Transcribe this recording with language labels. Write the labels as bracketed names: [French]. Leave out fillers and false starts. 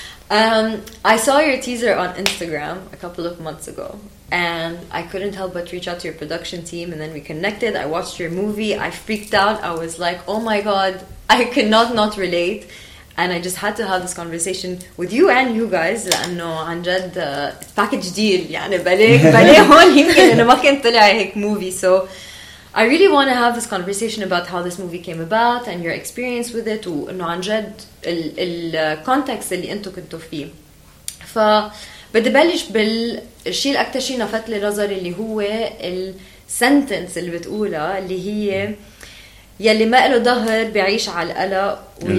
[English] I saw your teaser on Instagram a couple of months ago and I couldn't help but reach out to your production team, and then we connected. I watched your movie, I freaked out, I was like, oh my god, I cannot not relate. And I just had to have this conversation with you and you guys. [Arabic] لأنه عن جد [English] package deal [Arabic] يعني بلي هون يمكن أنا ما كنت طلع هيك movie. [English] So I really want to have this conversation about how this movie came about and your experience with it. [Arabic] وأنه عن جد ال context اللي أنتوا كنتوا فيه. فبدي بلش بالشيء الأكثر شيء نفت لي نظر اللي هو ال sentence اللي بتقولها اللي هي يلي ما له ظهر بيعيش على القلق